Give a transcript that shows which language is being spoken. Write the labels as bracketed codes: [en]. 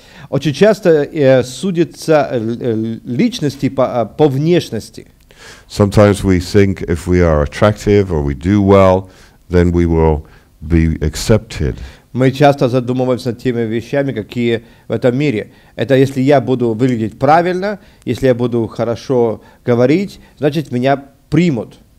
[ru] Очень часто судится личности по внешности. [en] Sometimes we think if we are attractive or we do well, then we will be accepted. [ru] Мы часто задумываемся теми вещами, какие в этом мире. Это если я буду выглядеть правильно, если я буду хорошо говорить, значит меня примут.